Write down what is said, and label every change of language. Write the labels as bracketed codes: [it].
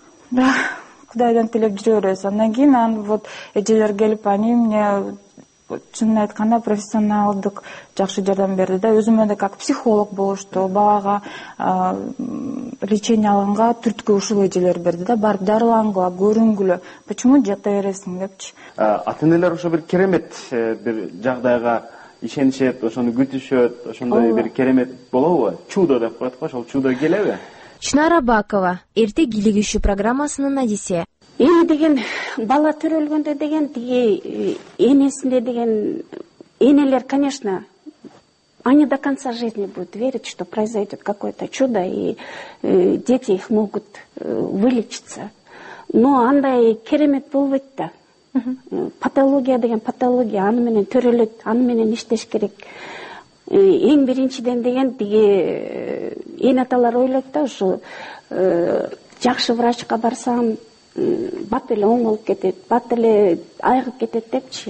[ky] Да, кудайдан тилеп жүрө беребиз. Андан кийин анан вот эжелер келип [ru] они мне [ky] чынын айтканда профессионалдык жакшы жардам берди да, өзүмө да [ru] как психолог [ky] болушту, балага лечение алганга түрткү ушул эжелер берди да, барып дарылангыла, көрүнгүлө, [ru] почему [ky] жата бересиң депчи. Ата энелер ошо бир керемет бир жагдайга ишенишет, ошону күтүшөт, ошондой бир керемет болобу? Чудо деп коет го, ошол чудо келеби? Чынара Бакова, эртек кийлигишүү программасынын адиси. Эми деген бала төрөлгөндө деген тиги энесинде деген энелер, [ru] конечно, они до конца жизни будут верить, что произойдет какое-то чудо, и дети их могут вылечиться. [ky] Но андай керемет болбойт да. Патология деген патология, аны менен төрөлөт, аны менен иштеш керек. Эң биринчиден деген тиги эне аталар ойлойт да, ушу жакшы врачка барсам бат эле оңолуп кетет, бат эле айыгып кетет депчи.